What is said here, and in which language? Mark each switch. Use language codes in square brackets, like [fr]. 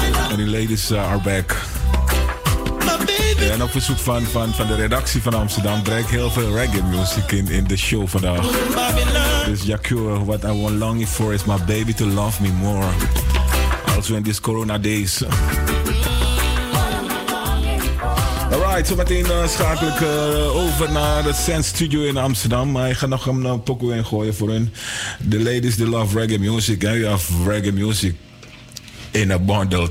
[nl] En [en] die ladies are back. [nl] En op verzoek van de redactie van Amsterdam breng ik heel veel reggae muziek in de show vandaag. [en] Dus Jacure, what I want longing for is my baby to love me more. Also in these corona days. [nl] Alright, zometeen schakel ik over naar de Sand Studio in Amsterdam. Maar ik ga nog een pokoe in gooien voor hun. [en] The ladies, they love reggae music. And we have reggae music in a bundle.